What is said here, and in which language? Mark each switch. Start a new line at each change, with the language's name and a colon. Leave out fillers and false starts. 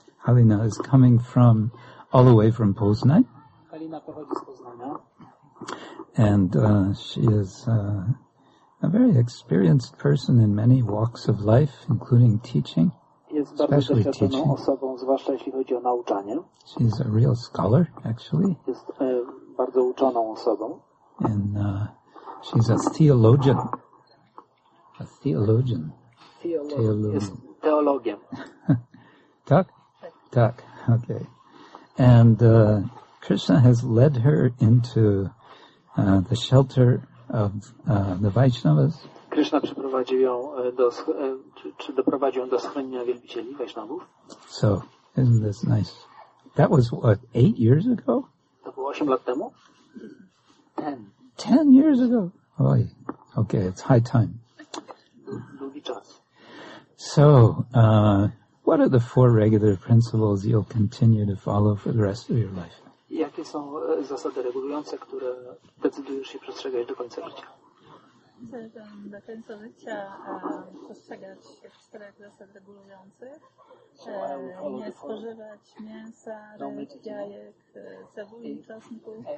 English: Halina is coming from all the way from Poznań.
Polish: Halina pochodzi z Poznania.
English: And she is a very experienced person in many walks of life, including teaching. Especially teaching.
Polish: Osobą, zwłaszcza jeśli chodzi o nauczanie.
English: She's a real scholar, actually.
Polish: Jest bardzo uczoną osobą.
English: And she's a theologian. A theologian. Theologian.
Polish: Jest teologiem. Tak? Tak. Okay.
English: And Krishna has led her into the shelter of the Vaishnavas.
Polish: Krishna przyprowadził ją do czy doprowadził ją do schronienia wielbicieli Vaishnavów.
English: So, isn't this nice? That was what, 8 years ago?
Polish: To było 8 lat temu?
English: 10 years ago. Oy. Okay, it's high time.
Polish: Długi czas.
English: So, what are the four regular principles you'll continue to follow for the rest of your life?
Polish: Jakie są zasady regulujące, które decydujesz się przestrzegać do końca życia? Do końca życia przestrzegać czterech zasad regulujących. Nie spożywać mięsa, ryb, jajek, cebuli, czosnku.